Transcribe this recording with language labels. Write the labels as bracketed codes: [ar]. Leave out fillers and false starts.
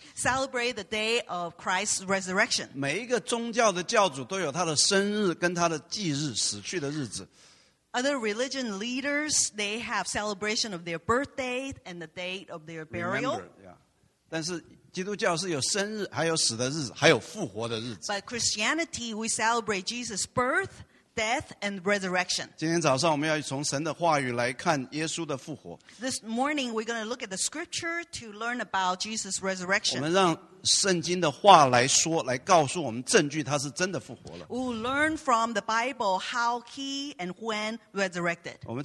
[en] Celebrate the day of Christ's resurrection. [zh] 每一个宗教的教主都有他的生日跟他的忌日死去的日子。 [en] Other religion leaders, they have celebration of their birthday and the date of their burial. Remember, yeah. [zh] 但是 基督教是有生日,还有死的日子,还有复活的日子。 [en] By Christianity, we celebrate Jesus' birth, death, and resurrection. [zh] 今天早上我们要从神的话语来看耶稣的复活。 [en] This morning, we're going to look at the scripture to learn about Jesus' resurrection. [zh] 我们让圣经的话来说,来告诉我们证据他是真的复活了。 [en] We'll learn from the Bible how he and when resurrected.